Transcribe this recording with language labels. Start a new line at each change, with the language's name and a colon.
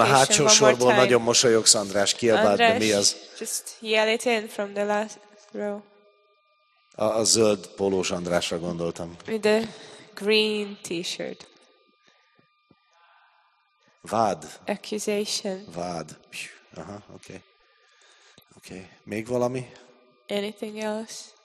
Hungarian: a hátsó sorból nagyon mosolyogsz, András, kiabált, de mi az?
English: Just yell it in from the last row.
Hungarian: A zöld pólós Andrásra gondoltam.
English: With the green t-shirt.
Hungarian: Vád.
English: Accusation.
Hungarian: Vád. Aha, okay. Okay. Még valami?
English: Anything else?